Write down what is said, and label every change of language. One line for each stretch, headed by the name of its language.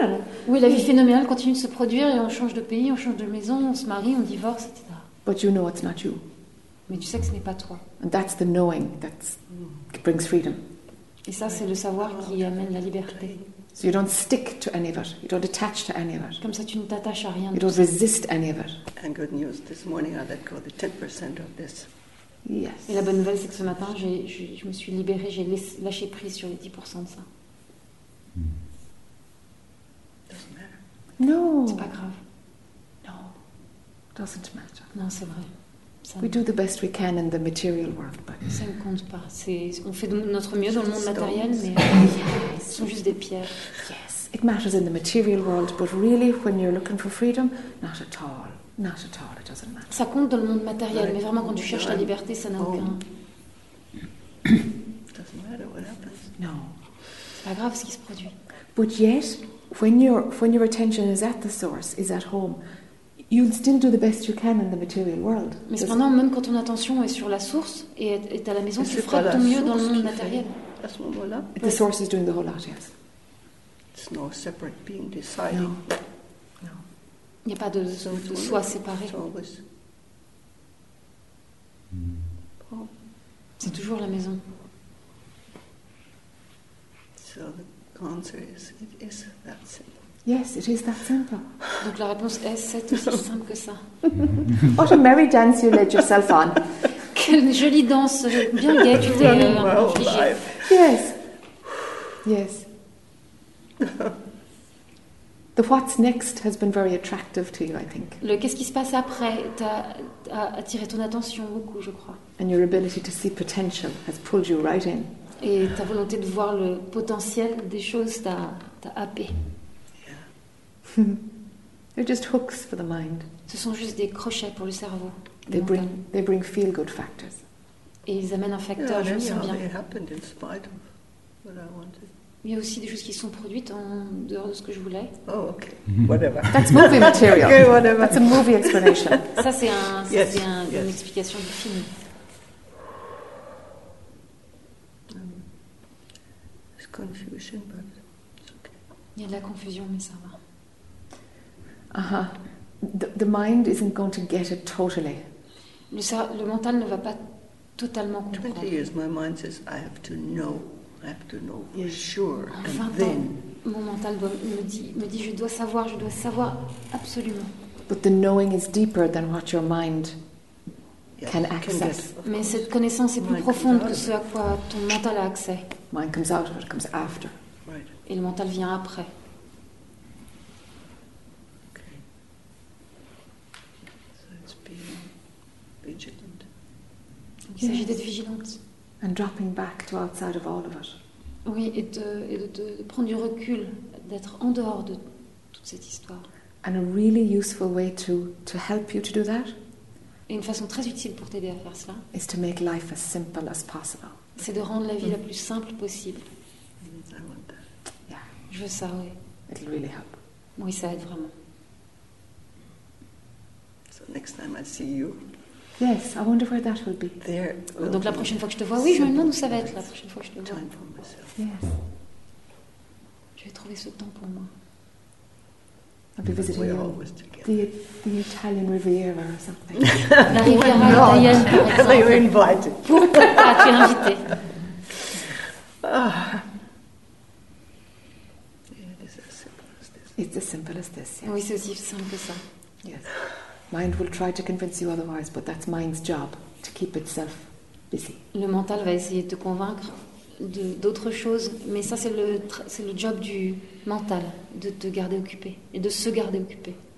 English: And
French: oui, la vie phénoménale continue de se produire, et on change de pays, on change de maison, on se marie, on divorce, etc.
English: But you know it's not you.
French: Mais tu sais que ce n'est pas toi.
English: And that's the knowing that brings freedom.
French: Et ça, c'est le savoir qui amène la liberté.
English: So you don't stick to any of it. You don't attach to any of it.
French: Comme ça, tu ne t'attaches à rien.
English: You don't resist any of it. And good news, this morning I let go of the 10% of this. Yes.
French: Et la bonne nouvelle, c'est que ce matin, je me suis libérée, j'ai lâché prise sur les 10% de ça.
English: Doesn't matter. No.
French: C'est pas grave.
English: Doesn't matter.
French: Non, c'est vrai.
English: We do the best we can in the material world, but
French: ça ne compte pas. On fait notre mieux dans le monde matériel, mais ce sont juste des pierres.
English: Yes, it matters in the material world, but really, when you're looking for freedom, not at all, not at all, it doesn't matter.
French: Ça compte dans le monde matériel, mais vraiment quand tu cherches la liberté, ça n'a aucun.
English: Doesn't matter what happens. No,
French: c'est pas grave ce qui se produit.
English: But yet, when your attention is at the source, is at home. You'll still do the best you can in the material world.
French: Mais cependant, même quand ton attention est sur la source et est à la maison, tu feras ton mieux dans le monde matériel. À ce moment-là. Oui.
English: The source is doing the whole lot, yes. It's no separate being deciding. No.
French: Il n'y a pas de soi séparé. C'est toujours la maison.
English: So the answer is, it is that simple. Yes, it is that simple.
French: Donc la réponse est, c'est aussi simple que ça.
English: What a merry dance you led yourself on.
French: quelle jolie danse, bien gay, tu vois.
English: Yes. Yes. Yes. The what's next has been very attractive to you, I think.
French: Le qu'est-ce qui se passe après t'a attiré ton attention beaucoup, je crois.
English: And your ability to see potential has pulled you right in.
French: Et ta volonté de voir le potentiel des choses t'a happé.
English: They're just hooks for the mind.
French: Ce sont juste des crochets pour le cerveau.
English: They bring feel good factors.
French: Et ils amènent un facteur, je me sens bien.
English: It happened in spite of what I wanted.
French: Il y a aussi des choses qui sont produites en dehors de ce que je voulais.
English: Oh, ok. Whatever. That's movie material. Okay, whatever. That's a movie explanation.
French: Ça, c'est, un, ça, yes. c'est un, yes. une explication du film.
English: It's confusion, but it's okay.
French: Il y a de la confusion, mais ça va. Uh-huh.
English: The mind isn't going to get it totally.
French: Le mental ne va pas totalement comprendre.
English: 20 years, my mind says, I have to know for sure. And then,
French: mon mental me dit, je dois savoir absolument.
English: But the knowing is deeper than what your mind can access.
French: Mais cette connaissance est plus profonde que ce à quoi ton mental a accès.
English: Mind comes out, it comes after.
French: Et le mental vient après. Il s'agit d'être vigilante.
English: And dropping back to outside of all of it.
French: Oui, et de prendre du recul, d'être en dehors de toute cette histoire.
English: And a really useful way to help you to do that.
French: Et une façon très utile pour t'aider à faire cela.
English: Is to make life as simple as possible.
French: C'est de rendre la vie la plus simple possible.
English: I want that. Yeah.
French: Je veux ça, oui.
English: It'll really help.
French: Oui, ça aide vraiment.
English: So next time I see you. Yes, I wonder where that will be. There.
French: Donc la prochaine fois que je te vois, oui, je me demande où ça va être la prochaine fois que je te vois.
English: Time for myself. Yes.
French: Je vais trouver ce temps pour moi.
English: I'll be visiting you. We're always together. The Italian Riviera or something.
French: La Riviera italienne, par exemple.
English: You're invited.
French: Pourquoi pas, tu es invité.
English: It's as simple as this. It's as simple as this, yes.
French: Oui, c'est aussi simple que ça.
English: Yes. Mind will try to convince you otherwise, but that's mind's job to keep itself busy.
French: Le mental va essayer de te convaincre d'autres choses, mais ça c'est le job du mental de te garder occupé et de se garder occupé.